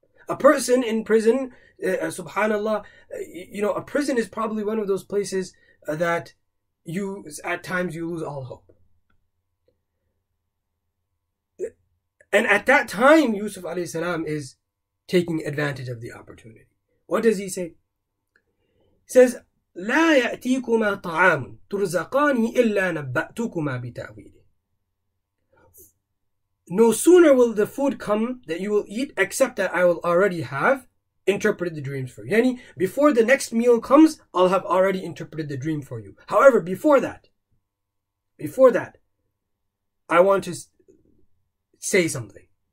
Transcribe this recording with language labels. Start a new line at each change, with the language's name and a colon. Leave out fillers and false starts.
English: A person in prison, subhanAllah, you know, a prison is probably one of those places that you, at times, you lose all hope. And at that time, Yusuf alayhi salam is taking advantage of the opportunity. What does he say? He says,
Arabic: لا يأتيكما طعام ترزقاني إلا نبأتكما بتأويله.
English: No sooner will the food come that you will eat, except that I will already have interpreted the dreams for you. Yani, before the next meal comes, I'll have already interpreted the dream for you. However, before that, I want to say something.